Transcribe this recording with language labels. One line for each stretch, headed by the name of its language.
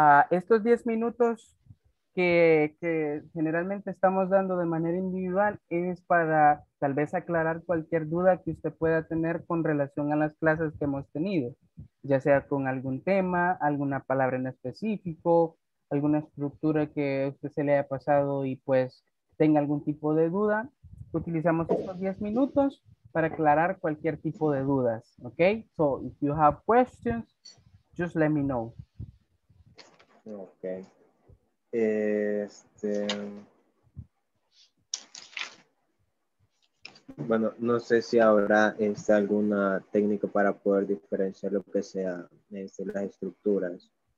Spanish: Estos 10 minutos que generalmente estamos dando de manera individual es para tal vez aclarar cualquier duda que usted pueda tener con relación a las clases que hemos tenido, ya sea con algún tema, alguna palabra en específico, alguna estructura que usted se le haya pasado y pues tenga algún tipo de duda. Utilizamos estos 10 minutos para aclarar cualquier tipo de dudas, ¿ok?
English: So, if you have questions, just let me know. Ok.
Spanish: Este, bueno, no sé si habrá alguna técnica para poder diferenciar lo que sea las estructuras.